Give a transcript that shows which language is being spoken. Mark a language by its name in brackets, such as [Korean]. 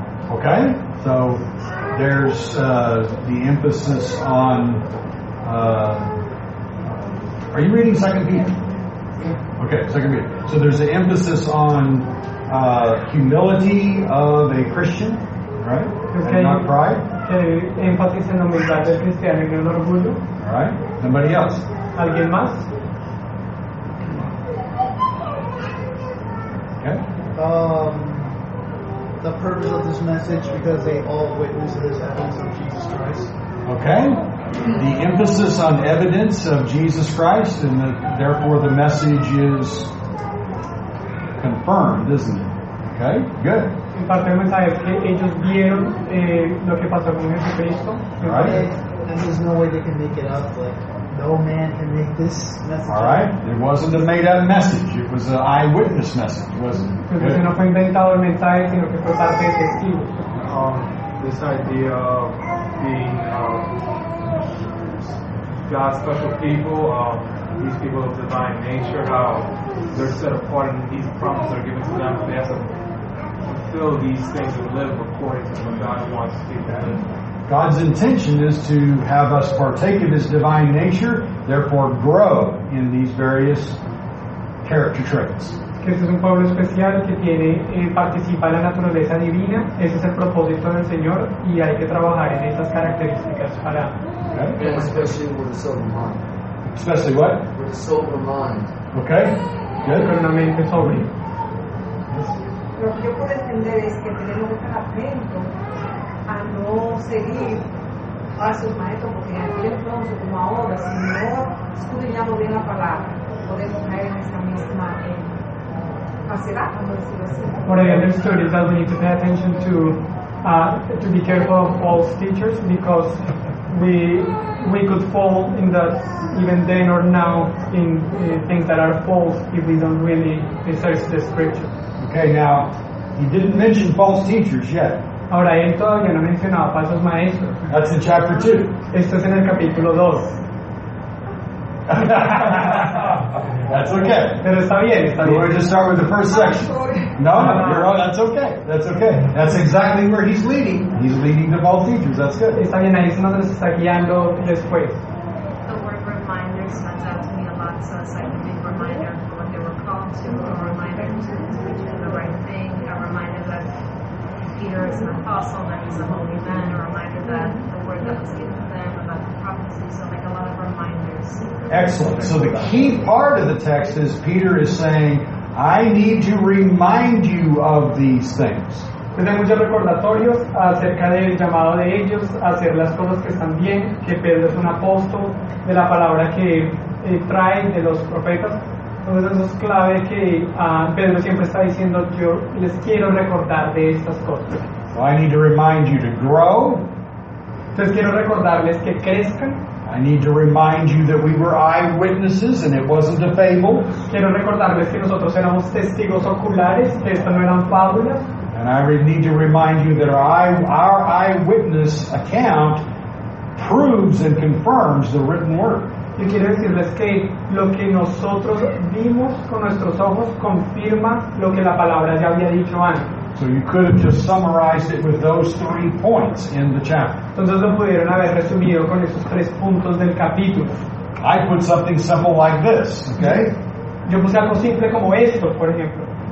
[English] Okay, so there's the emphasis on. Are you reading 2 Peter? Yeah. Okay, 2 Peter. So there's the emphasis on humility of a Christian, right? Okay. And not pride. Okay. [Spanish] Emphasis en la humildad del cristiano y el orgullo. [English] All right. Somebody else. [Spanish] Alguien más. [English] Okay. The purpose of this message because they all witness it as evidence of Jesus Christ. Okay. The emphasis on evidence of Jesus Christ and therefore the message is confirmed, isn't it? Okay, good. [Spanish] En parte del mensaje es que ellos vieron lo que pasó con Jesucristo. [English] Right. And there's no way they can make it up, like no man can make this message. All right. It wasn't a made-up message. It was an eyewitness message, wasn't it? [Spanish] No fue inventado el mensaje, sino que fue parte de testigos. [English] This idea of being God's special people, these people of divine nature, how they're set apart and these promises are given to them, and they have to fulfill these things and live according to what God wants to do. God's intention is to have us partake of His divine nature, therefore grow in these various character traits. [Spanish] Jesús es un pueblo especial que tiene participa en la naturaleza divina. Ese es el propósito del Señor, y hay que trabajar en estas características para. [English] Okay. And especially with a sober mind. Especially what? With a sober mind. Okay. Good. [Spanish] Con una mente sobria. Yo puedo por entender es que tenemos que estar atentos a no seguir a sus maestros, porque en aquel entonces, como ahora, si no escudriñamos bien la palabra, podemos caer en esa misma falsedad, como decirlo así. [English] What I understood is that we need to pay attention to be careful of false teachers, because we could fall in that even then or now in things that are false if we don't really research the scripture. Okay, now he didn't mention false teachers yet. [Spanish] Ahora él todavía no mencionaba falsos maestros. [English] That's in chapter 2. [Spanish] Esto es en el capítulo 2. [English] That's okay. [Spanish] Pero está bien, está bien. [English] We're going to start with the first section. No, you're all, that's okay. That's exactly where he's leading. He's leading the false teachers. That's good. [Spanish] Está bien, ahí se nos está guiando después. [English] The word reminder stands out to me a lot, so it's like a big reminder of what they were called to, a reminder to teach them the right thing, a reminder that Peter is an apostle, that he's a holy man, a reminder that the word that was given to them about the prophecy, so like a lot of reminders. Excellent. So the key part of the text is Peter is saying, I need to remind you of these things. [Spanish] Tenemos muchos recordatorios acerca del llamado de ellos a hacer las cosas que están bien, que Pedro es un apóstol, de la palabra que trae de los profetas. Entonces eso es clave, que Pedro siempre está diciendo, yo les quiero recordar de estas cosas. [English] So I need to remind you to grow. [Spanish] Entonces quiero recordarles que crezcan. [English] I need to remind you that we were eyewitnesses and it wasn't a fable. [Spanish] Quiero recordarles que nosotros éramos testigos oculares, que esto no eran fábulas. [English] And I need to remind you that our eyewitness account proves and confirms the written word. [Spanish] Y quiero decirles que lo que nosotros vimos con nuestros ojos confirma lo que la palabra ya había dicho antes. [English] So you could have just summarized it with those three points in the chapter. [Spanish] Entonces lo pudieron haber resumido con esos tres puntos del capítulo. [English] I put something simple like this, okay? [Spanish] Yo puse algo simple como esto, por ejemplo.